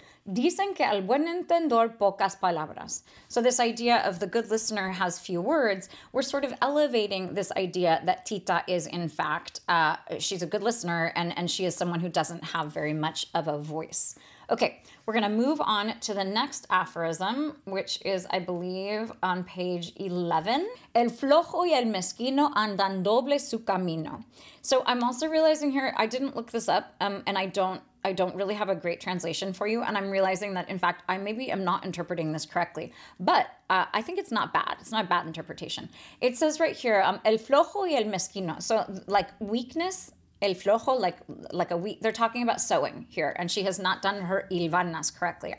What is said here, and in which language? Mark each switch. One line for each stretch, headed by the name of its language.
Spanish: Dicen que al buen entendedor pocas palabras.
English: So this idea of the good listener has few words, we're sort of elevating this idea that Tita is in fact, she's a good listener and she is someone who doesn't have very much of a voice. Okay, we're gonna move on to the next aphorism, which is, I believe, on page 11.
Spanish: El flojo y el mezquino andan doble su camino.
English: So I'm also realizing here, I didn't look this up and I don't really have a great translation for you. And I'm realizing that in fact, I maybe am not interpreting this correctly, but I think it's not bad. It's not a bad interpretation. It says right here,
Spanish: el flojo y el mezquino.
English: So like weakness, el flojo, like a weak, they're talking about sewing here and she has not done her hilvanas correctly.